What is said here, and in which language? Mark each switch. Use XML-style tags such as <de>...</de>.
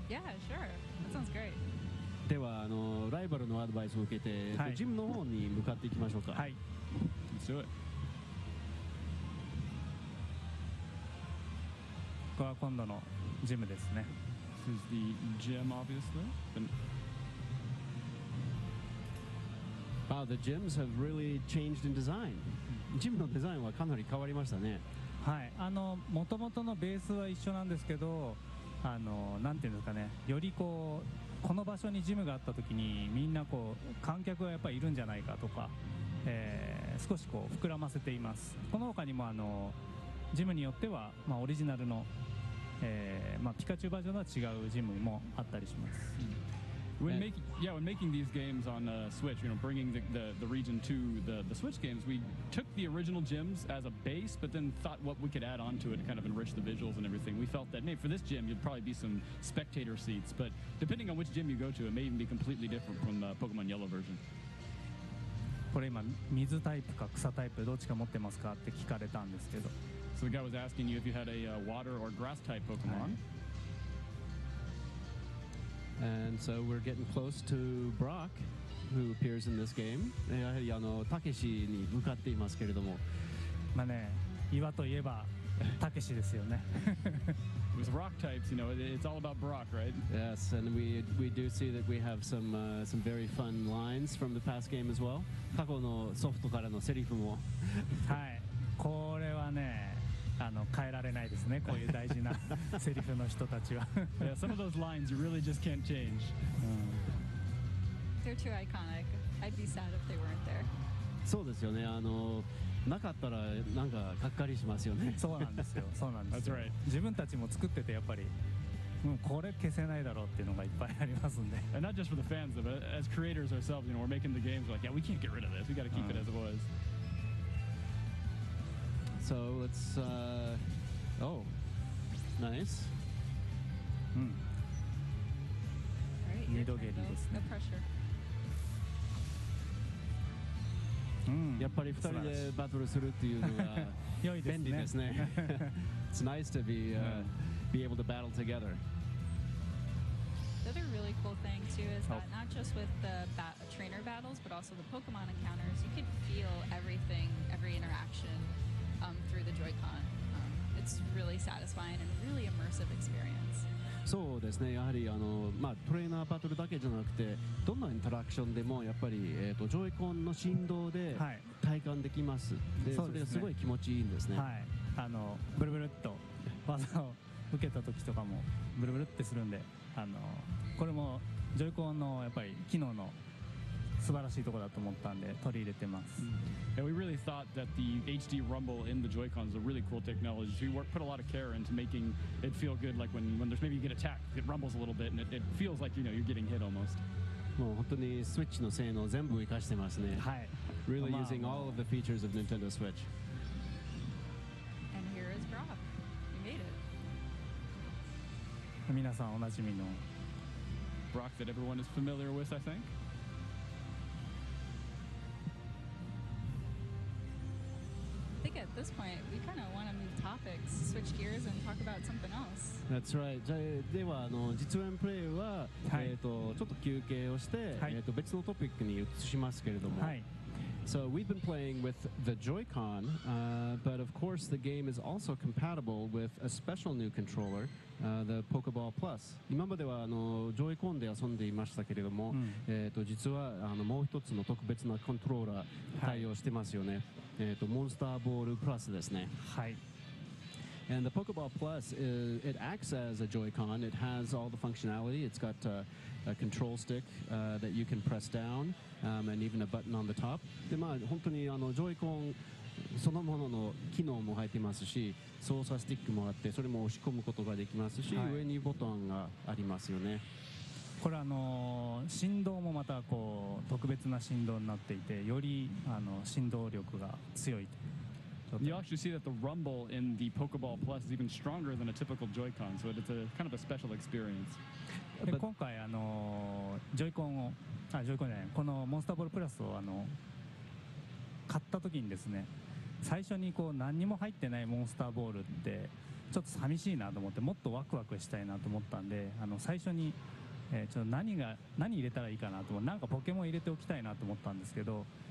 <en>Yeah, sure. That sounds great.</en> <ja>では、あの、ライバルのアドバイスを受けて、はい、ジムの方に向かっていきましょうか。はい。</ja> <en>Let's do it.</en> <ja>ここは今度のジムですね。</ja> <en>This is the gym, obviously. Wow, the gyms have really changed in design.</en> <ja>ジムのデザインはかなり変わりましたね。はい、あの元々のベースは一緒なんですけど、あのなんていうんですかね、よりこうこの場所にジムがあったときにみんなこう観客がやっぱりいるんじゃないかとか、少しこう膨らませています。この他にもあのジムによっては、まあ、オリジナルの、まあ、ピカチュウバージョンとは違うジムもあったりします。</ja> <en>When making these games on Switch, you know, bringing the region to the Switch games, we took the original gyms as a base, but then thought what we could add onto it to kind of enrich the visuals and everything. We felt that, hey, for this gym, you'd probably be some spectator seats, but depending on which gym you go to, it may even be completely different from the Pokemon Yellow version.</en> <ja>これ今水タイプか草タイプどっちか持ってますかって聞かれたんですけど。</ja> <en>So the guy was asking you if you had a water or grass type Pokemon.、</en> <ja>はい</ja> <en>And so we're getting close to Brock, who appears in this game.</en> <ja>やはりあのたけしに向かっていますけれども。まあね、岩といえばたけしですよね。</ja> <en>With rock types, you know, it's all about Brock, right? Yes, and we do see that we have some very fun lines from the past game as well.</en> <ja>過去のソフトからのセリフも。はい、これはね。あの変えられないですね、こういう大事なセリフの人たちは。</ja> <en>Yeah, some of those lines you really just can't change. They're too iconic. I'd be sad if they weren't there.</en> <ja>そうですよね、あのなかったらなんかかっかりしますよね。そうなんですよ、そうなんですよ。</ja> <en>That's right.</en> <ja>自分たちも作っててやっぱり、うん、これ消せないだろうっていうのがいっぱいありますんで。</ja> <en>And not just for the fans, but as creators ourselves, you know, we're making the games like, yeah, we can't get rid of this. We gotta keep it as it was. let's. Oh, nice. Hmm. All right, you're good. No pressure.</en> <ja>やっぱり2人でバトルするっていうのは良いですね。便利ですね。</ja> <en>It's nice to be, be able to battle together. The other really cool thing too is that not just with the trainer battles, but also the Pokemon encounters, you can feel everything, every interaction through the Joy-Con. It's really satisfying and really immersive experience.</en> <ja>そうですね、やはりあの、まあ、トレーナーバトルだけじゃなくてどんなインタラクションでもやっぱり、ジョイコンの振動で体感できます、はい、でそれがすごい気持ちいいんですね、はい、あのブルブルっと技を受けた時とかもブルブルってするんで、あのこれもジョイコンのやっぱり機能の素晴らしいところだと思ったんで取り入れてます、</ja> <en>yeah, We really thought that the HD rumble in the Joy-Con is a really cool technology. We put a lot of care into making it feel good, like when there's maybe you get attacked, it rumbles a little bit and it feels like you know, you're getting hit almost.</en> <ja>もう本当にスイッチの性能全部活かしてますね。はい。</ja> <en>Really using all of the features of Nintendo Switch. And here is Brock. You made it.</en> <ja>皆さんおなじみの</ja> <en>Brock that everyone is familiar with, I think. At this point, we kind of want to move topics, switch gears, and talk about something else. That's right.</en> <ja>ではあの実演プレイは、はい、ちょっと休憩をして、はい、別のトピックに移しますけれども。はい。</ja> <en>So we've been playing with the Joy-Con, but of course the game is also compatible with a special new controller, the Pokeball Plus.</en> <ja>今まではあの Joy-Con で遊んでいましたけれども、実はあのもう一つの特別なコントローラー対応してますよね。はいモンスターボールプラスですね。はい。</ja> <en>And the Pokeball Plus, it acts as a Joy-Con. It has all the functionality. It's got a control stick that you can press down, and even a button on the top.</en> <ja>で、まあ、本当にあの Joy-Con そのものの機能も入ってますし、操作スティックもあって、それも押し込むことができますし、はい、上にボタンがありますよね。これあの振動もまたこう特別な振動になっていて、よりあの振動力が強い。</ja> <en>You actually see that the rumble in the Pokeball Plus is even stronger than a typical Joy-Con, so it's a kind of a special experience.</en> <ja>で今回あのJoy-Conを、あ、Joy-Conじゃない、このモンスターボールプラスをあの買った時にですね、最初にこう何にも入ってないモンスターボールってちょっと寂しいなと思って、もっとワクワクしたいなと思ったんで、あの最初にちょっと何入れたらいいかなと思って、なんかポケモン入れておきたいなと思ったんですけど、</ja>